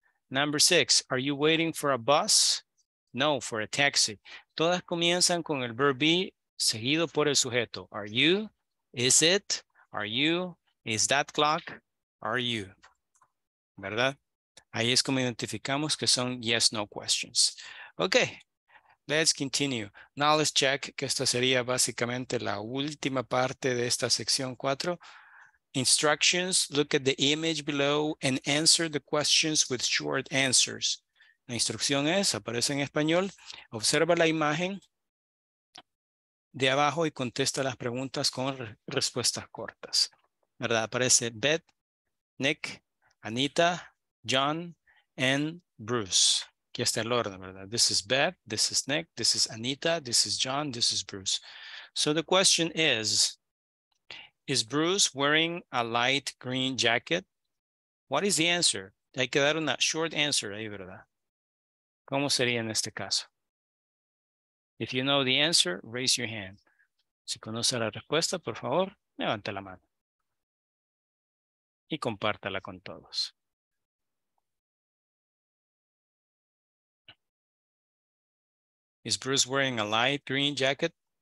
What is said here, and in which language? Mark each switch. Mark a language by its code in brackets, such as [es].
[en] Number six, are you waiting for a bus? No, for a taxi. [es] Todas comienzan con el verb be seguido por el sujeto. [en] Are you? Is it? Are you? Is that clock? Are you? [es] ¿Verdad? Ahí es como identificamos que son [en] yes, no questions. Okay, let's continue. Now let's check [es] que esta sería básicamente la última parte de esta sección 4. [en] Instructions, look at the image below and answer the questions with short answers. [es] La instrucción es, aparece en español, observa la imagen de abajo y contesta las preguntas con respuestas cortas. ¿Verdad? Aparece Beth, Nick, Anita, John, and Bruce. Aquí está el orden, ¿verdad? [en] This is Beth, this is Nick, this is Anita, this is John, this is Bruce. So the question is, is Bruce wearing a light green jacket? What is the answer? [es] Hay que dar una [en] short answer [es] ahí, ¿verdad? ¿Cómo sería en este caso? [en] If you know the answer, raise your hand. [es] Si conoce la respuesta, por favor, levante la mano. Y compártala con todos. [en] Is Bruce wearing a light green jacket?